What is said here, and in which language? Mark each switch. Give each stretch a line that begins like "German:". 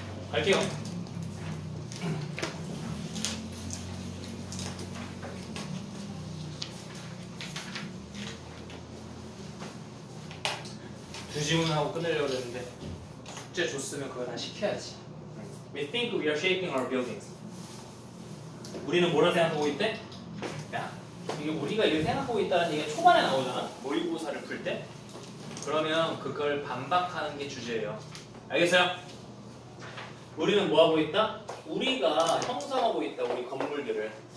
Korean: 갈게요. 두 질문하고 끝내려고 했는데 숙제 줬으면 그걸 다 시켜야지.
English: We think we are shaping our buildings.
Korean: 우리는 뭐라 생각하고 있대? 야, 이게 우리가 이렇게 생각하고 있다는 얘기가 초반에 나오잖아. 모의고사를 풀 때. 그러면 그걸 반박하는 게 주제예요. 알겠어요? 우리는 뭐하고 있다? 우리가 형성하고 있다. 우리 건물들을.